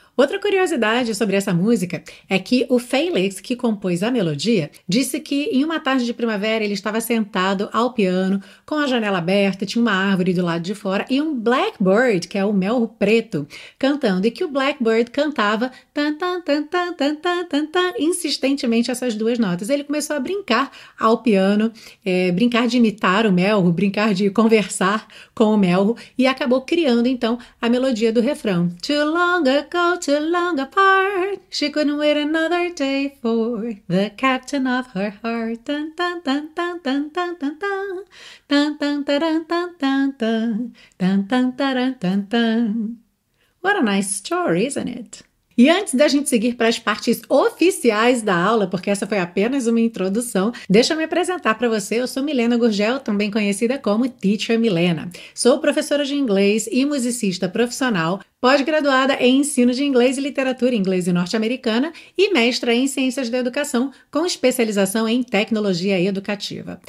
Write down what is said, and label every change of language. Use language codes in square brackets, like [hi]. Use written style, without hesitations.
[pt] Outra curiosidade sobre essa música é que o Felix, que compôs a melodia, disse que em uma tarde de primavera ele estava sentado ao piano com a janela aberta, tinha uma árvore do lado de fora e um blackbird, que é o mel preto, cantando, e que o blackbird cantava tan, tan, tan, tan, tan, tan, tan, tan, insistentemente essas duas notas. Ele começou a brincar ao piano, brincar de imitar o mel, brincar de conversar com o mel e acabou criando então a melodia do refrão. [en] Too long ago, too long apart, she couldn't wait another day for the captain of her heart. Tan tan tan tan tan tan tan tan tan tan tan tan tan tan tan tan tan tan tan. What a nice story, isn't it? [pt] E antes da gente seguir para as partes oficiais da aula, porque essa foi apenas uma introdução, deixa eu me apresentar para você. Eu sou Milena Gurgel, também conhecida como Teacher Milena. Sou professora de inglês e musicista profissional, pós-graduada em ensino de inglês e literatura inglesa e norte-americana e mestra em ciências da educação com especialização em tecnologia educativa.